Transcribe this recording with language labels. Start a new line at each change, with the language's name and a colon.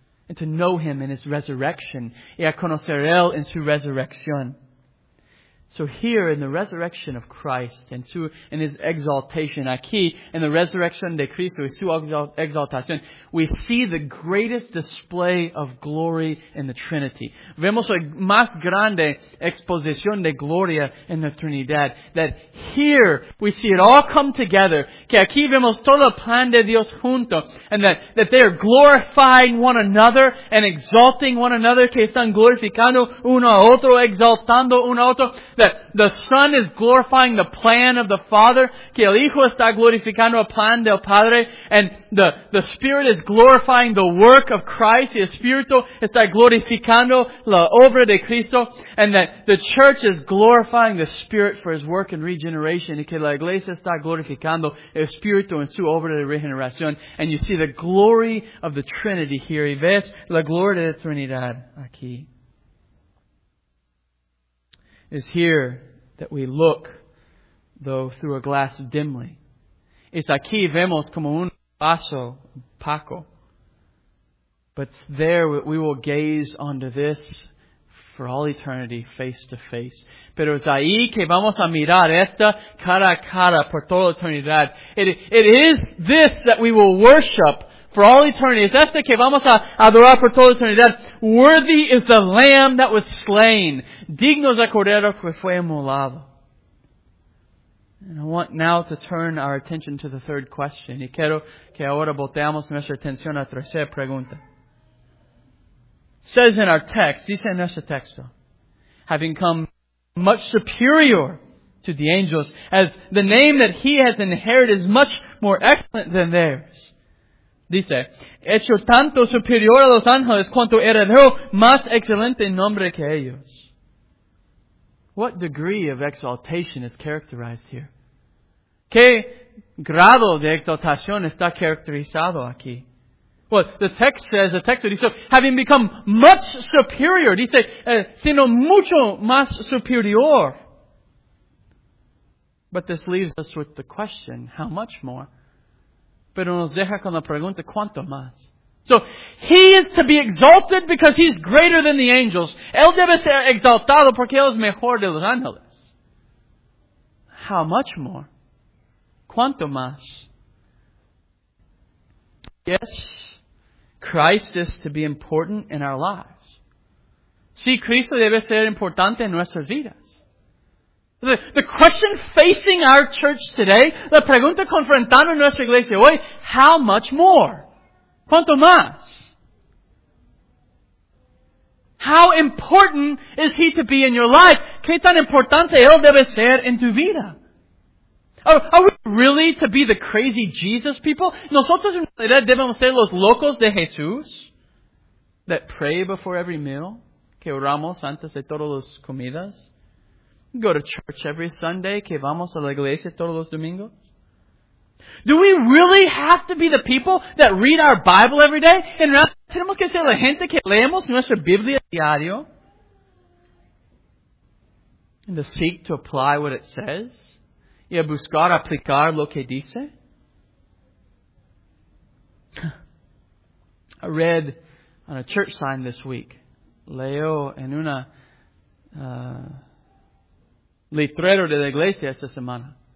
English: And to know Him in His resurrection.
Spanish: Y a conocer Él en su resurrección.
English: So here in the resurrection of Christ and in His exaltation, aquí in the resurrection
Spanish: de Cristo y su exaltación,
English: we see the greatest display of glory in the Trinity.
Spanish: Vemos la más grande exposición de gloria en la Trinidad.
English: That here we see it all come together.
Spanish: Que aquí vemos todo el plan de Dios junto.
English: And that they are glorifying one another and exalting one another.
Spanish: Que están glorificando uno a otro, exaltando uno a otro.
English: That the Son is glorifying the plan of the Father,
Spanish: que el Hijo está glorificando el plan del Padre,
English: and the Spirit is glorifying the work of Christ,
Spanish: y el Espíritu está glorificando la obra de Cristo,
English: and that the Church is glorifying the Spirit for His work in regeneration,
Spanish: y que la Iglesia está glorificando el Espíritu en su obra de regeneración.
English: And you see the glory of the Trinity here.
Spanish: Y ves la gloria de la Trinidad aquí.
English: Is here that we look though through a glass dimly.
Spanish: Es aquí vemos como un vaso opaco.
English: But there we will gaze onto this for all eternity, face to face.
Spanish: Pero es ahí que vamos a mirar esta cara a cara por toda eternidad.
English: It is this that we will worship for all eternity.
Spanish: Es esta que vamos a adorar por toda eternidad.
English: Worthy is the Lamb that was slain.
Spanish: Digno es el Cordero que fue inmolado.
English: And I want now to turn our attention to the third question.
Spanish: Y quiero que ahora volteamos nuestra atención a la tercera pregunta.
English: Says in our text,
Spanish: dice en nuestro texto,
English: having come much superior to the angels, as the name that he has inherited is much more excellent than theirs.
Spanish: Dice, hecho tanto superior a los ángeles cuanto heredero más excelente nombre que ellos.
English: What degree of exaltation is characterized here?
Spanish: ¿Qué grado de exaltación está caracterizado aquí?
English: Well, the text says, the text says, having become much superior,
Spanish: dice, sino mucho más superior.
English: But this leaves us with the question, how much more?
Spanish: Pero nos deja con la pregunta, ¿cuánto más?
English: So, he is to be exalted because he's greater than the angels.
Spanish: Él debe ser exaltado porque él es mejor de los ángeles.
English: How much more?
Spanish: ¿Cuánto más?
English: Yes. Christ is to be important in our lives.
Spanish: Sí, Cristo debe ser importante en nuestras vidas.
English: The question facing our church today,
Spanish: la pregunta confrontando nuestra iglesia hoy,
English: how much more?
Spanish: ¿Cuánto más?
English: How important is he to be in your life?
Spanish: ¿Qué tan importante él debe ser en tu vida?
English: Are we really to be the crazy Jesus people?
Spanish: ¿Nosotros en realidad debemos ser los locos de Jesús?
English: That pray before every meal?
Spanish: ¿Que oramos antes de todas las comidas?
English: ¿Go to church every Sunday?
Spanish: ¿Que vamos a la iglesia todos los domingos?
English: Do we really have to be the people that read our Bible every day?
Spanish: ¿En realidad tenemos que ser la gente que leemos nuestra Biblia diario?
English: And to seek to apply what it says?
Spanish: Y a buscar aplicar lo que dice.
English: I read on a church sign this week.
Spanish: Leo en una letrero de la iglesia esta semana.